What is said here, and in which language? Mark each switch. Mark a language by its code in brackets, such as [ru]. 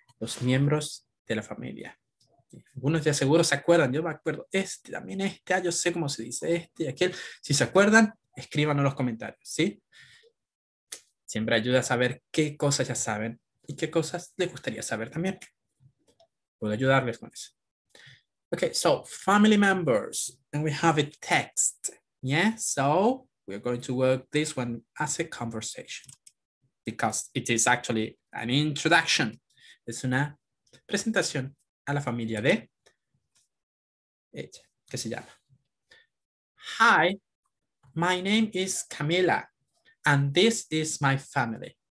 [es] Los miembros de la familia. Algunos ya seguro se acuerdan, yo me acuerdo este, también este, yo sé cómo se dice este y aquel. Si se acuerdan, escríbanos en los comentarios, ¿sí? Siempre ayuda a saber qué cosas ya saben y qué cosas les gustaría saber también. Puedo ayudarles con eso. [en] Okay, so family members, and we have a text. Yeah, so we're going to work this one as a conversation because it is actually an introduction. [es] Es una presentación a la familia de ella, que se llama. [en] Hi, my name is Camila, and this is my family.